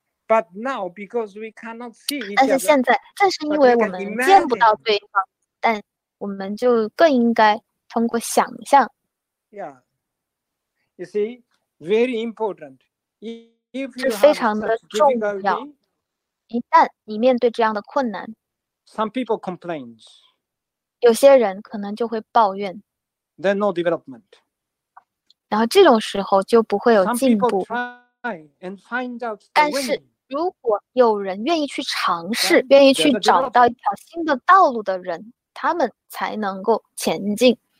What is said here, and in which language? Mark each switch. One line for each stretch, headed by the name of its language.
English: But now, because we cannot see each other,
Chinese: 但是现在，正是因为我们见不到对方，但我们就更应该通过想象。
English: Yeah, you see, very important. If you
Chinese: 是非常的重要。一旦你面对这样的困难，
English: Some people complains.
Chinese: 有些人可能就会抱怨。
English: Then no development.
Chinese: 然后这种时候就不会有进步。
English: Some people try and find out the way.
Chinese: 但是如果有人愿意去尝试，愿意去找到一条新的道路的人，他们才能够前进。